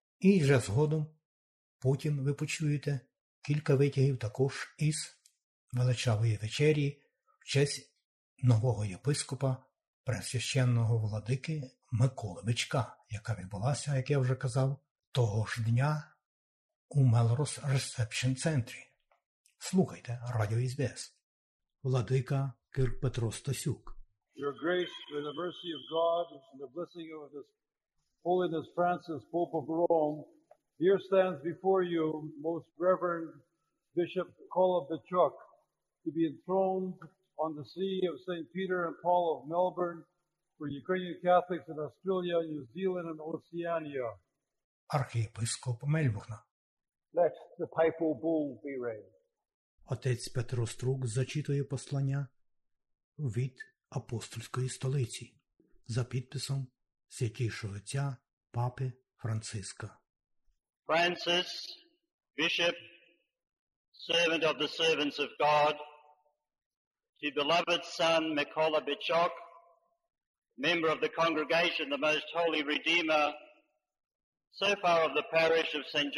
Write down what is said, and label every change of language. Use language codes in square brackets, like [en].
[uk] І вже згодом, потім ви почуєте кілька витягів також із Величавої вечері в честь нового єпископа, Пресвященного Владики Миколи Бичка, яка відбулася, як я вже казав, того ж дня у Мелрос Ресепшн Центрі. Слухайте радіо СБС. Владика Кирк Петро Стасюк. [en] Your grace, and the mercy of God, and the blessing of His Holiness Francis, Pope of Rome, here stands before you, most reverend Bishop Mykola Bychuk, to be enthroned on the see of St. Peter and Paul of Melbourne for Ukrainian Catholics in Australia, New Zealand, and Oceania. [uk] Архієпископ Мельбурна. [en] Let the papal bull be read. [uk] Отець Петро Струк зачитує послання від апостольської столиці за підписом Святійшого Отця Папи Франциска. [en] Francis, Bishop, servant of the servants of God, to beloved son Mykola Bychuk, member of the congregation, the Most Holy Redeemer, so far of the parish of St.